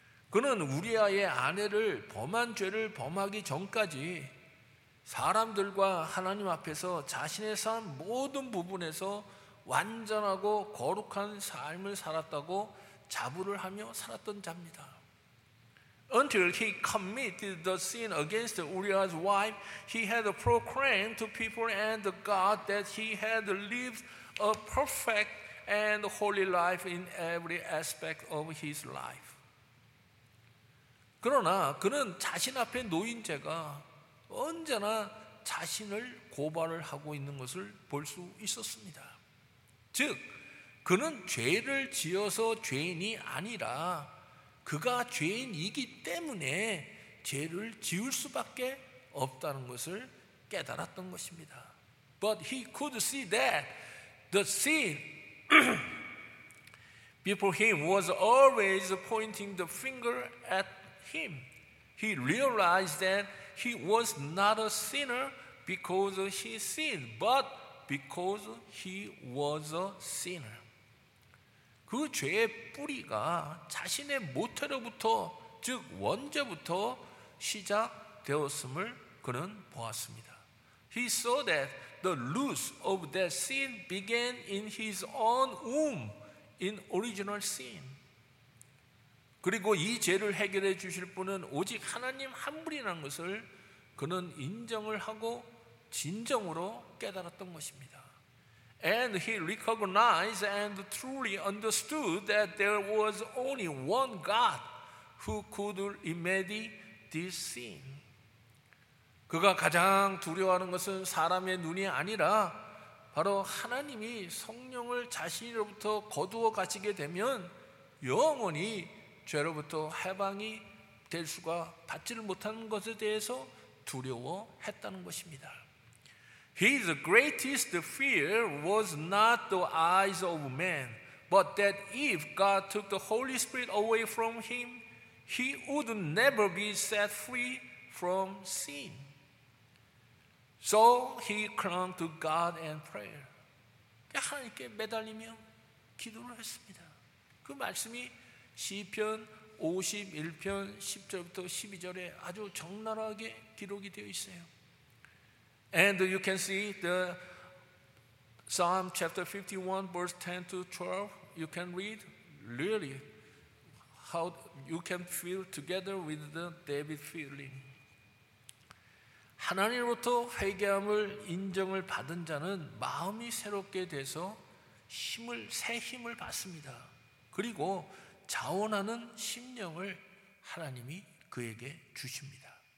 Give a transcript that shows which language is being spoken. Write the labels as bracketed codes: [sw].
[ko] 그는 우리아의 아내를 범한 죄를 범하기 전까지 사람들과 하나님 앞에서 자신의 삶 모든 부분에서 완전하고 거룩한 삶을 살았다고 자부를 하며 살았던 자입니다. [en] Until he committed the sin against Uriah's wife, he had proclaimed to people and God that he had lived a perfect and holy life in every aspect of his life. [ko] 그러나 그는 자신 앞에 놓인 죄가 언제나 자신을 고발을 하고 있는 것을 볼 수 있었습니다. 즉, 그는 죄를 지어서 죄인이 아니라 그가 죄인이기 때문에 죄를 지을 수밖에 없다는 것을 깨달았던 것입니다. [en] But he could see that the sin before him was always pointing the finger at him. He realized that he was not a sinner because he sinned, but because he was a sinner. [ko] 그 죄의 뿌리가 자신의 모태로부터, 즉 원죄부터 시작되었음을 그는 보았습니다. [en] He saw that the roots of that sin began in his own womb, in original sin. [ko] 그리고 이 죄를 해결해 주실 분은 오직 하나님 한 분이라는 것을 그는 인정을 하고 진정으로 깨달았던 것입니다. [en] And he recognized and truly understood that there was only one God who could remedy this sin. [ko] 그가 가장 두려워하는 것은 사람의 눈이 아니라 바로 하나님이 성령을 자신으로부터 거두어 가시게 되면 영원히 죄로부터 해방이 될 수가 받지를 못하는 것에 대해서 두려워했다는 것입니다. [en] His greatest fear was not the eyes of man, but that if God took the Holy Spirit away from him, he would never be set free from sin. So he clung to God and prayer. [ko] 하나님께 매달리며 기도를 했습니다. 그 말씀이 시편 51편 10절부터 12절에 아주 적나라하게 기록이 되어 있어요. [en] And you can see the Psalm chapter 51 verse 10 to 12. You can read really how you can feel together with the David feeling. [ko] 하나님으로부터 회개함을 인정을 받은 자는 마음이 새롭게 돼서 힘을 새 힘을 받습니다. 그리고 자원하는 심령을 하나님이 그에게 주십니다.